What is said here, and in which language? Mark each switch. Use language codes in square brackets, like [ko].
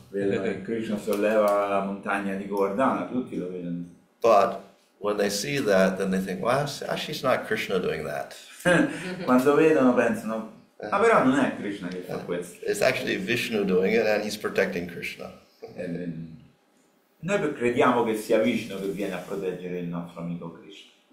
[it] Vedono che Krishna solleva la montagna di Govardhana, tutti lo vedono. [en] But when they see that, then they think, well, she's not Krishna doing that. [it] Quando vedono pensano, ah, però non è Krishna che fa questo. [en] It's actually Vishnu doing it, and he's protecting Krishna. [it] Noi crediamo che sia Vishnu che viene a proteggere il nostro amico Krishna.